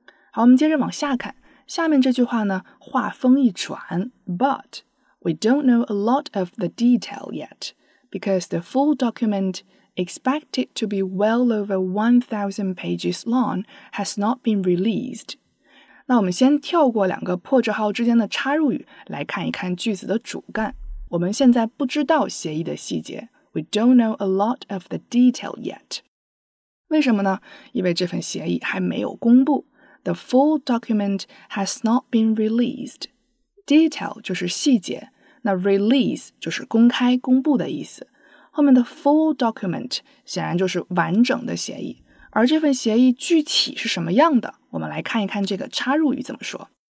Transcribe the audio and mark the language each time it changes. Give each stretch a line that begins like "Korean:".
Chinese: 好，我们接着往下看，下面这句话呢，话锋一转 ,but...
English: We don't know a lot of the detail yet, because the full document, expected to be well over 1,000 pages long, has not been released.
Chinese: 那我们先跳过两个破折号之间的插入语，来看一看句子的主干。我们现在不知道协议的细节。
English: We don't know a lot of the detail yet.
Chinese: 为什么呢？因为这份协议还没有公布。
English: The full document has not been released.
Chinese: Detail 就是细节，那 release 就是公开公布的意思。后面的
English: full document
Chinese: 显然就是完整的协议，而这份协议具体是什么样的，我们来看一看这个插入语怎么说。